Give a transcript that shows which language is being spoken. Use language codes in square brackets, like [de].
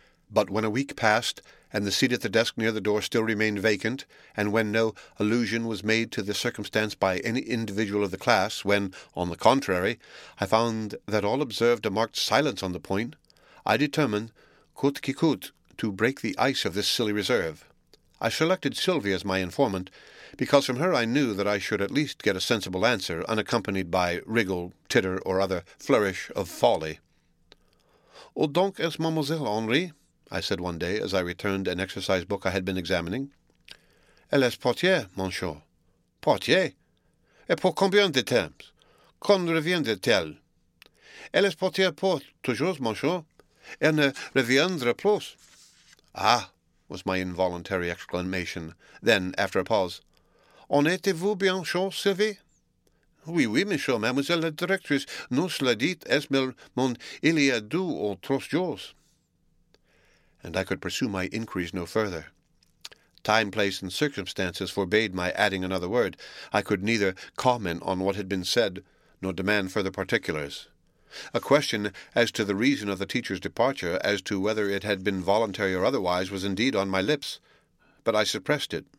[en] But when a week passed, and the seat at the desk near the door still remained vacant, and when no allusion was made to the circumstance by any individual of the class, when, on the contrary, I found that all observed a marked silence on the point, I determined, [fr] coûte qui coûte, [en] to break the ice of this silly reserve. I selected Sylvie as my informant, because from her I knew that I should at least get a sensible answer, unaccompanied by wriggle, titter, or other flourish of folly. [fr] "Où donc est Mademoiselle Henri?" [en] I said one day, as I returned an exercise book I had been examining. [fr] "Elle est portier, monsieur." "Portier? Et pour combien de temps? Quand reviendra-t-elle?" "Elle est portier pour toujours, monsieur. Elle ne reviendra plus." "Ah!" [en] was my involuntary exclamation. Then, after a pause, [fr] "En êtes-vous bien sûr, Sylvie?" "Oui, oui, monsieur, mademoiselle la directrice, nous l'a dit, est-ce mon il y a deux ou trois jours?" [en] And I could pursue my inquiries no further. Time, place, and circumstances forbade my adding another word. I could neither comment on what had been said, nor demand further particulars. A question as to the reason of the teacher's departure, as to whether it had been voluntary or otherwise, was indeed on my lips. But I suppressed it.